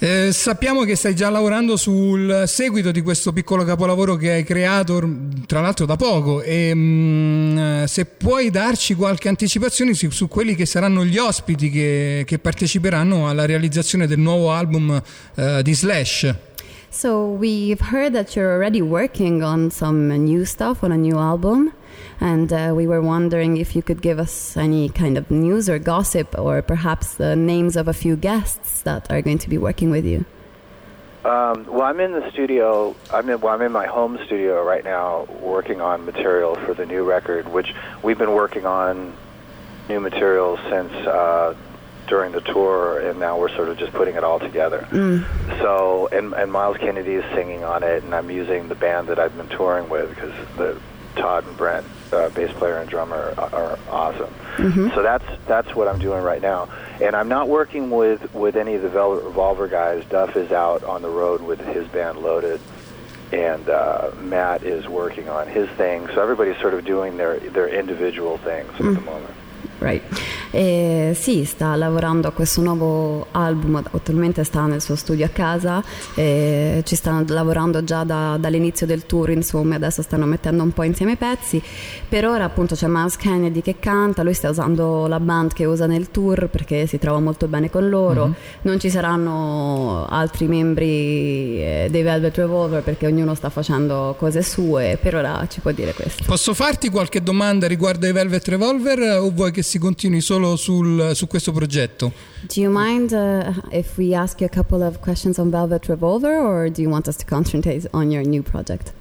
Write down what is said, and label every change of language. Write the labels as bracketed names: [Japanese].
[Italian] Sappiamo che stai già lavorando sul seguito di questo piccolo capolavoro che hai creato, tra l'altro da poco, e se puoi darci qualche anticipazione su quelli che saranno gli ospiti che parteciperanno alla realizzazione del nuovo album di Slash. [English] So we've heard that you're already working on some new stuff, on a new album, and we were wondering if you could give us any kind of news or gossip, or perhaps the names of a few guests that are going to be working with you. I'm in my home studio right now working on material for the new record, which we've been working on new material since during the tour, and now we're sort of just putting it all together. So and Miles Kennedy is singing on it, and I'm using the band that I've been touring with, because the Todd and Brent, bass player and drummer, are awesome. Mm-hmm. So that's what I'm doing right now, and I'm not working with any of the Velvet Revolver guys. Duff is out on the road with his band Loaded, and Matt is working on his thing, so everybody's sort of doing their individual things at the moment. Right. [Italian] E sì, sta lavorando a questo nuovo album, attualmente sta nel suo studio a casa e ci stanno lavorando già dall'inizio del tour, insomma, adesso stanno mettendo un po' insieme i pezzi. Per ora appunto c'è Miles Kennedy che canta, lui sta usando la band che usa nel tour perché si trova molto bene con loro. Mm-hmm. Non ci saranno altri membri dei Velvet Revolver perché ognuno sta facendo cose sue, per ora ci può dire questo. Posso farti qualche domanda riguardo ai Velvet Revolver o vuoi che si continui solo su questo progetto? [English] Do you mind if we ask you a couple of questions on Velvet Revolver or do you want us to concentrate on your new project?